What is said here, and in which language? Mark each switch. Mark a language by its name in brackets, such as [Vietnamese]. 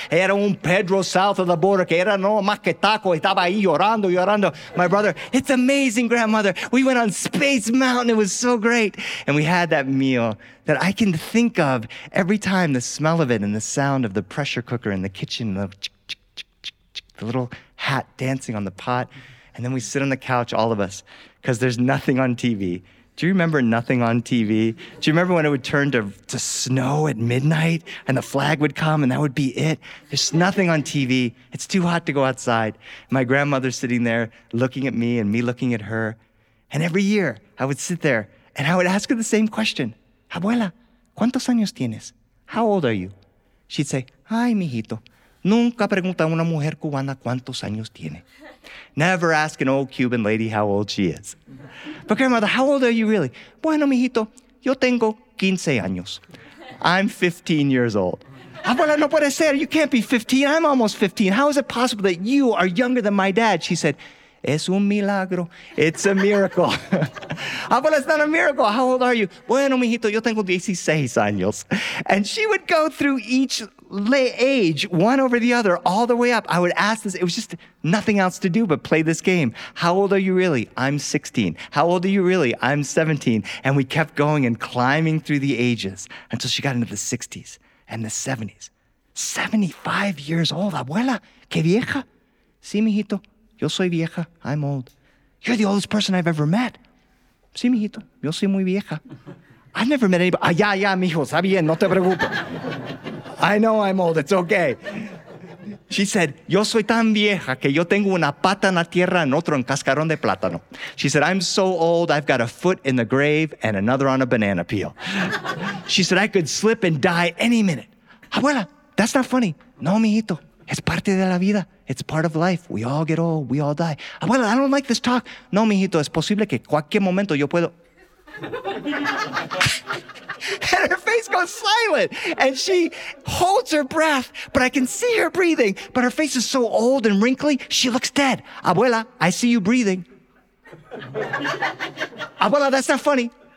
[Spanish] Era un Pedro [English] south of the border [Spanish] que era no más que taco. Estaba ahí llorando, llorando. [English] My brother, it's amazing, grandmother. We went on Space Mountain. It was so great. And we had that meal that I can think of every time, the smell of it and the sound of the pressure cooker in the kitchen, the little hat dancing on the pot. And then we sit on the couch, all of us, because there's nothing on TV. Do you remember nothing on TV? Do you remember when it would turn to snow at midnight and the flag would come and that would be it? There's nothing on TV. It's too hot to go outside. My grandmother sitting there looking at me and me looking at her. And every year I would sit there and I would ask her the same question. [Spanish] Abuela, ¿cuántos años tienes? [English] How old are you? She'd say, [Spanish] ay, mijito, nunca pregunta a una mujer cubana cuántos años tiene. [English] Never ask an old Cuban lady how old she is. But grandmother, how old are you really? [Spanish] Bueno, mijito, yo tengo 15 años. [English] I'm 15 years old. Abuela, [Spanish] no puede ser. [English] You can't be 15. I'm almost 15. How is it possible that you are younger than my dad? She said, [Spanish] es un milagro. [English] It's a miracle. Abuela, it's not a miracle. How old are you? [Spanish] Bueno, mijito, yo tengo 16 años. [English] And she would go through each age, one over the other, all the way up. I would ask this. It was just nothing else to do but play this game. How old are you really? I'm 16. How old are you really? I'm 17. And we kept going and climbing through the ages until she got into the 60s and the 70s. 75 years old, [Spanish] abuela. ¿Qué vieja? Sí, mijito. Yo soy vieja. [English] I'm old. You're the oldest person I've ever met. [Spanish] Sí, mijito. Yo soy muy vieja. [English] I've never met anybody. [Spanish] Ah, ya, ya, mijo. Está bien. No te preocupes. [English] I know I'm old. It's okay. She said, [Spanish] yo soy tan vieja que yo tengo una pata en la tierra y otro en cascarón de plátano. [English] She said, I'm so old, I've got a foot in the grave and another on a banana peel. She said, I could slip and die any minute. Abuela, that's not funny. [Spanish] No, mijito. Es parte de la vida. [English] It's part of life. We all get old. We all die. Abuela, I don't like this talk. [Spanish] No, mijito. Es posible que cualquier momento yo puedo... [English] And her face goes silent and she holds her breath, but I can see her breathing, but her face is so old and wrinkly, she looks dead. Abuela, I see you breathing. Abuela, that's not funny.